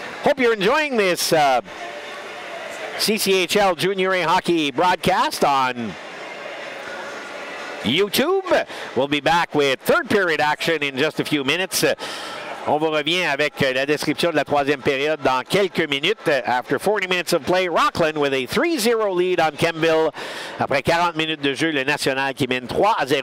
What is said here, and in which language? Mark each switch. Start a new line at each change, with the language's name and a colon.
English: Hope you're enjoying this CCHL Junior A Hockey broadcast on YouTube. We'll be back with third period action in just a few minutes.
French: On vous revient avec la description de la troisième période dans quelques minutes.
English: After 40 minutes of play, Rockland with a 3-0 lead on Kemptville.
French: Après 40 minutes de jeu, le National qui mène 3-0.